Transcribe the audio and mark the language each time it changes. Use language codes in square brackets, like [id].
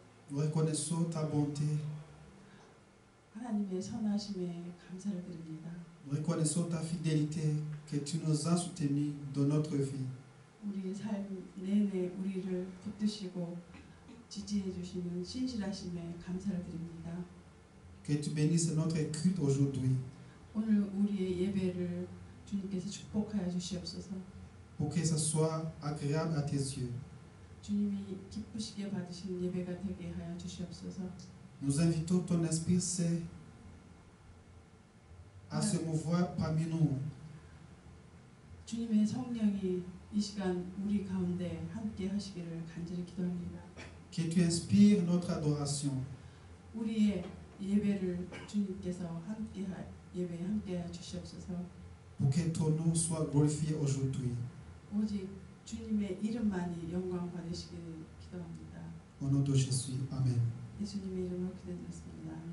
[fr] Nous reconnaissons ta bonté. Nous reconnaissons ta fidélité que tu nous as soutenus dans notre vie. [ko] 우리의 삶 내내 우리를 붙드시고 지지해 주시는 신실하심에 감사를 드립니다. [fr] Que tu bénisses notre culte aujourd'hui. [ko] 오늘 우리의 예배를 주님께서 축복하여 주시옵소서. [fr] Pour que ce soit agréable à tes yeux. [ko] 주님이 기쁘시게 받으신 예배가 되게 하여 주시옵소서. [fr] Nous invitons ton esprit saint à se mouvoir parmi nous. [ko] 주님의 성령이 이 시간 우리 가운데 함께 하시기를 간절히 기도합니다. [fr] Que tu inspires notre adoration. [ko] 우리의 예배를 주님께서 함께 예배 함께 주시옵소서. [fr] Pour que ton nom soit glorifié aujourd'hui. [ko] 오직 주님의 이름만이 영광 받으시기를 기도합니다. [fr] Au nom de Jésus. Amen. [ko] 예수님의 이름으로 기도드렸습니다.